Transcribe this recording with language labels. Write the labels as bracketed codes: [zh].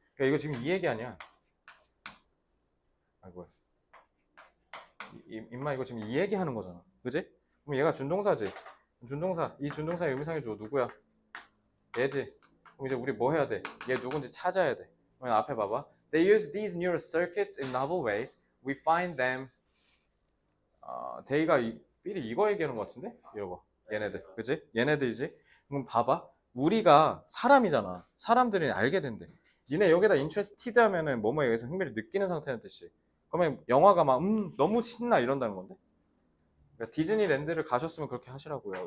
[ko] 야, 이거 지금 이 얘기 아니야. 아이고. 임마 이거 지금 이 얘기 하는 거잖아. 그지? 그럼 얘가 준동사지. 준동사. 이 준동사의 의미상의 주어 누구야? 얘지. 그럼 이제 우리 뭐 해야 돼? 얘 누군지 찾아야 돼. 그럼 앞에 봐봐. [en] They use these neural circuits in novel ways. We find them. [ko] 데이가 삐리 이거 얘기하는 것 같은데? 이거 얘네들, 그지? 얘네들이지? 그럼 봐봐. 우리가 사람이잖아. 사람들이 알게 된대. 니네 여기다 interested 하면은 뭐뭐에 의해서 흥미를 느끼는 상태라는 뜻이. 그러면 영화가 막 너무 신나 이런다는 건데? 그러니까 디즈니랜드를 가셨으면 그렇게 하시라고요.